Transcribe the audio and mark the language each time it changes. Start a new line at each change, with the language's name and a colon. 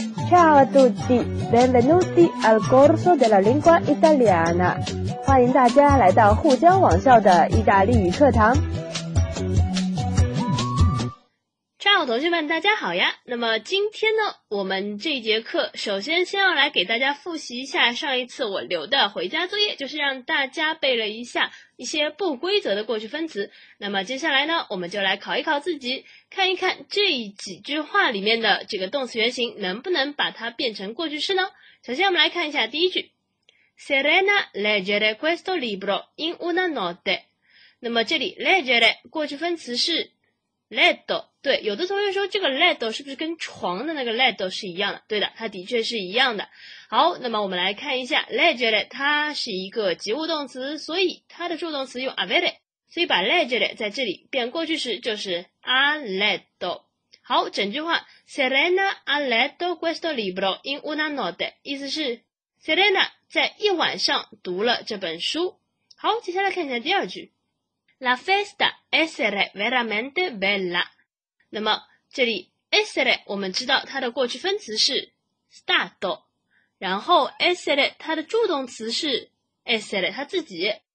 Italian: Ciao a tutti, benvenuti al corso della lingua italiana.
Chinese: 欢迎大家来到沪江网校的意大利语课堂。 Ciao 同学们，大家好呀。那么今天呢，我们这节课首先先要来给大家复习一下上一次我留的回家作业，就是让大家背了一下一些不规则的过去分词。那么接下来呢，我们就来考一考自己，看一看这几句话里面的这个动词原形能不能把它变成过去式呢。首先我们来看一下第一句，
Italian: Serena leggere questo libro in una notte。
Chinese: 那么这里 leggere 过去分词是 letto。对，有的同学说这个 letto 是不是跟床的那个 letto 是一样的，对的，它的确是一样的。好，那么我们来看一下 leggere， 它是一个及物动词，所以它的助动词用 avere， 所以把 leggere 在这里变过去时就是
Italian: a letto。
Chinese: 好，整句话
Italian: Serena a letto questo libro in una notte，
Chinese: 意思是 Serena 在一晚上读了这本书。好，接下来看一下第二句，
Italian: La festa essere veramente bella。
Chinese: 那么这里 essere 我们知道它的过去分词是 stato， 然后 essere 它的助动词是 essere 它自己。